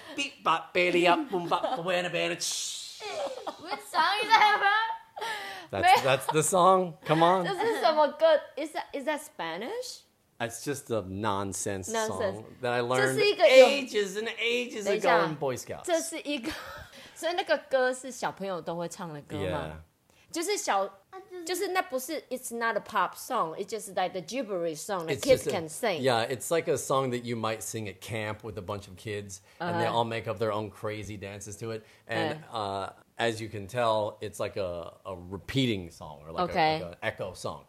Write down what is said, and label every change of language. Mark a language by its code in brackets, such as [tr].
[en] Beep, bop, belly up, boom, bop, buena, belly. Shh. What song is that, bro? That's the song. Come on. This is some good. Is that Spanish? It's just a nonsense song that I learned ages ago in Boy Scouts. [zh] 这是一个，所以那个歌是小朋友都会唱的歌吗？ [en] Yeah. [zh] 就是那不是 [en] It's not a pop song. It's just like the gibberish song that kids can sing. Yeah, it's like a song that you might sing at camp with a bunch of kids, and they all make up their own crazy dances to it. And as you can tell, it's like a repeating song or like an echo song.